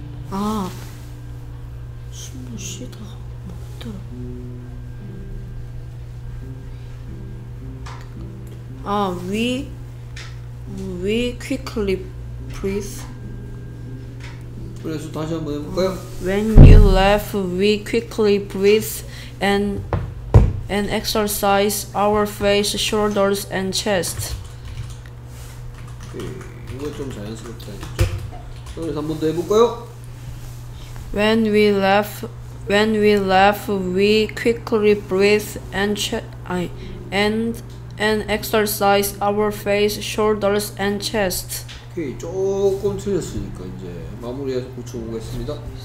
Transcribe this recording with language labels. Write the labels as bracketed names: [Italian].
[Korean] 아, 숨을 쉬다 못 들어. [English] 아, we quickly breathe. [Korean] 그래서 다시 한번 해볼까요? [English] When you laugh, we quickly breathe and exercise our face, shoulders, and chest. [Korean] 이거 좀 자연스럽다 했죠? 그럼 한번 더 해볼까요? [English] When we laugh, we quickly breathe and exercise our face, shoulders, and chest. [Korean] 조금 틀렸으니까 이제 마무리해서 고쳐보겠습니다.